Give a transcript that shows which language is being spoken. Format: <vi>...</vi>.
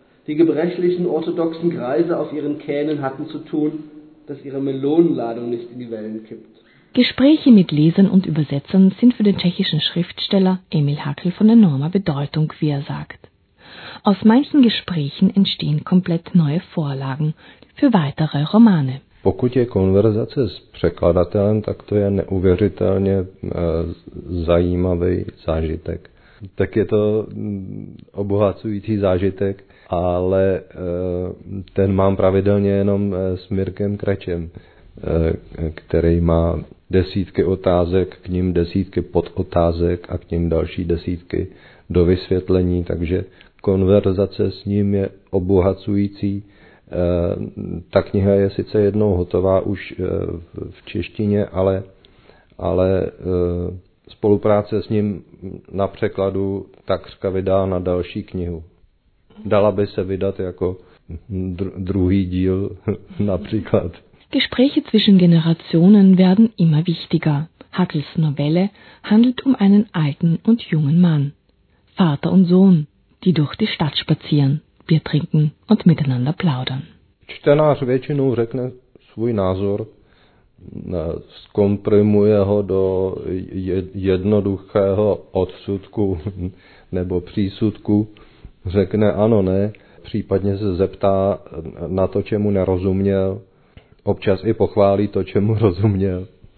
<de>Die gebrechlichen orthodoxen Greise auf ihren Kähnen hatten zu tun, dass ihre Melonenladung nicht in die Wellen kippt. Gespräche mit Lesern und Übersetzern sind für den tschechischen Schriftsteller Emil Hackl von enormer Bedeutung, wie er sagt. Aus manchen Gesprächen entstehen komplett neue Vorlagen für weitere Romane.</de> <cs>Pokud je konverzace s překladatelem, tak to je neuvěřitelně zajímavý zážitek. Tak je to obohacující zážitek, ale ten mám pravidelně jenom s Mirkem Krečem, který má desítky otázek, k ním desítky podotázek a k ním další desítky do vysvětlení, takže konverzace s ním je obohacující. Ta kniha je sice jednou hotová už v češtině, ale spolupráce s ním na překladu takřka vydá na další knihu. Dala by se vydat jako druhý díl například.</cs> <de>Gespräche zwischen Generationen werden immer wichtiger. Hackls Novelle handelt um einen alten und jungen Mann. Vater und Sohn, die durch die Stadt spazieren, Bier trinken und miteinander plaudern.</de> <cs>Čtenář většinou řekne svůj názor, zkomprimuje ho do jednoduchého odsudku nebo přísudku, řekne ano, ne, případně se zeptá na to, čemu nerozuměl, občas i pochválí to, čemu rozuměl.</cs>